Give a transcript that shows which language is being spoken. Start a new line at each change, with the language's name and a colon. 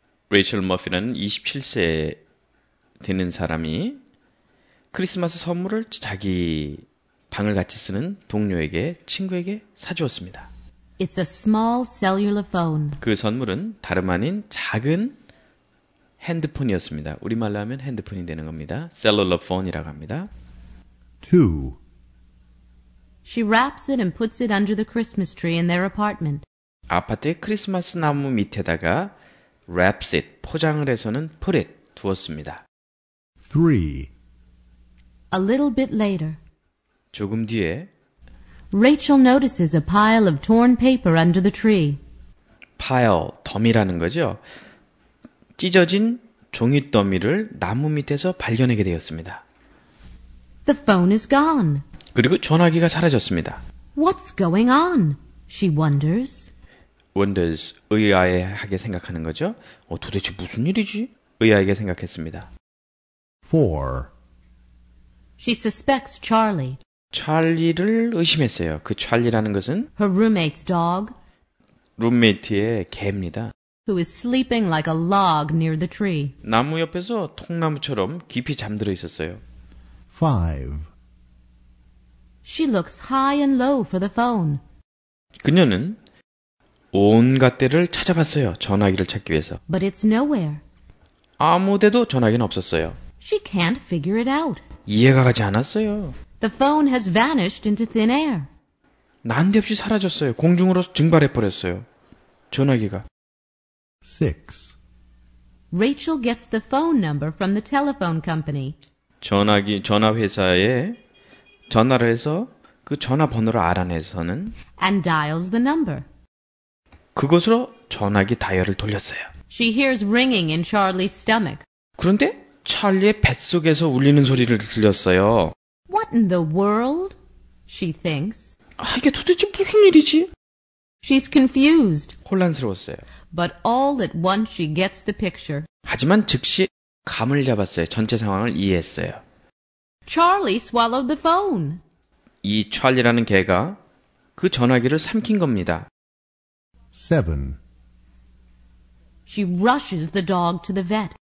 Korean: 레이첼 머피는 27세 되는 사람이 크리스마스 선물을 자기 방을 같이 쓰는 동료에게, 친구에게 사주었습니다.
English: It's a small cellular phone.
Korean: 그 선물은 다름 아닌 작은 핸드폰이었습니다. 우리말로 하면 핸드폰이 되는 겁니다. Cellular phone이라고 합니다. 2.
English: She wraps it and puts it under the Christmas tree in their apartment.
Korean: 아파트의 크리스마스 나무 밑에다가
English: wraps it,
Korean: 포장을 해서는
English: put it,
Korean: 두었습니다. 3.
English: A little bit later.
Korean: 조금 뒤에
English: Rachel notices a pile of torn paper under the tree.
Korean: pile, 더미라는 거죠. 찢어진 종이 더미를 나무 밑에서 발견하게 되었습니다.
English: The phone is gone.
Korean: 그리고 전화기가 사라졌습니다.
English: What's going on? She wonders.
Korean: Wonders, 의아하게 생각하는 거죠. 도대체 무슨 일이지? 의아하게 생각했습니다. 4.
English: She suspects Charlie.
Korean: 찰리를 의심했어요. 그 찰리라는 것은
English: Her roommate's dog.
Korean: 룸메이트의 개입니다.
English: Who is sleeping like a log near the tree.
Korean: 나무 옆에서 통나무처럼 깊이 잠들어 있었어요. 5.
English: She looks high and low for the phone.
Korean: 그녀는 온갖 데를 찾아봤어요. 전화기를 찾기 위해서.
English: But it's nowhere.
Korean: 아무데도 전화기는 없었어요.
English: She can't figure it out.
Korean: 이해가 가지 않았어요.
English: The phone has vanished into thin air.
Korean: 난데없이 사라졌어요. 공중으로 증발해버렸어요. 전화기가. 6.
English: Rachel gets the phone number from the telephone company.
Korean: 전화회사에 전화를 해서 그 전화번호를 알아내서는
English: And dials the number.
Korean: 그곳으로 전화기 다이얼을 돌렸어요.
English: She hears ringing in Charlie's stomach.
Korean: 그런데 찰리의 뱃속에서 울리는 소리를 들렸어요.
English: What in the world? She thinks.
Korean: 아, 이게 도대체 무슨 일이지?
English: She's confused.
Korean: 혼란스러웠어요.
English: But all at once she gets the picture.
Korean: 하지만 즉시 감을 잡았어요. 전체 상황을 이해했어요.
English: Charlie swallowed the phone.
Korean: 이 찰리라는 개가 그 전화기를 삼킨 겁니다. 7.
English: She rushes the dog to the vet.